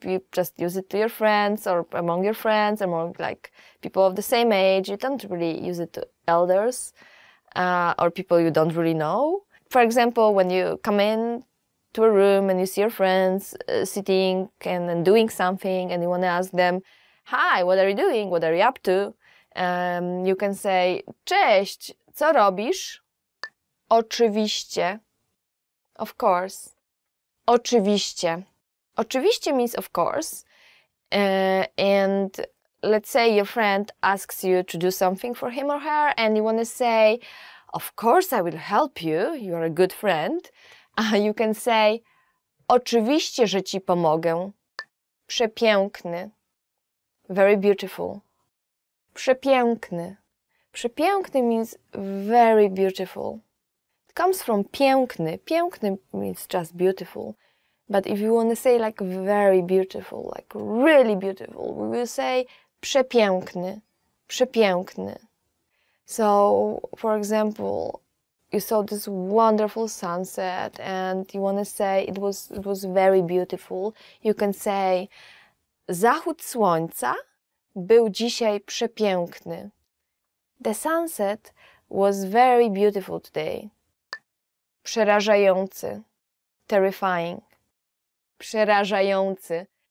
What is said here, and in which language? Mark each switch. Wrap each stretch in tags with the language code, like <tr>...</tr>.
<en>You just use it to your friends or among your friends, among like people of the same age. You don't really use it to elders or people you don't really know. For example, when you come in to a room and you see your friends sitting and doing something and you want to ask them, hi, what are you doing? What are you up to? You can say,</en> <pl>cześć, co robisz? Oczywiście.</pl> <en>Of course.</en> <pl>Oczywiście.</pl> <en>Oczywiście means of course. And let's say your friend asks you to do something for him or her and you want to say, of course I will help you, you are a good friend. You can say,</en> <pl>oczywiście, że ci pomogę. Przepiękny.</pl> <en>Very beautiful.</en> <pl>Przepiękny.</pl> <en>Przepiękny means very beautiful. It comes from piękny. Piękny means just beautiful. But if you want to say like very beautiful, like really beautiful, we will say przepiękny. Przepiękny. So, for example, you saw this wonderful sunset and you want to say it was very beautiful. You can say</en> <pl>zachód słońca był dzisiaj przepiękny.</pl> <en>The sunset was very beautiful today.</en> <pl>Przerażający.</pl> <en>Terrifying.</en> <pl>Przerażający.</pl>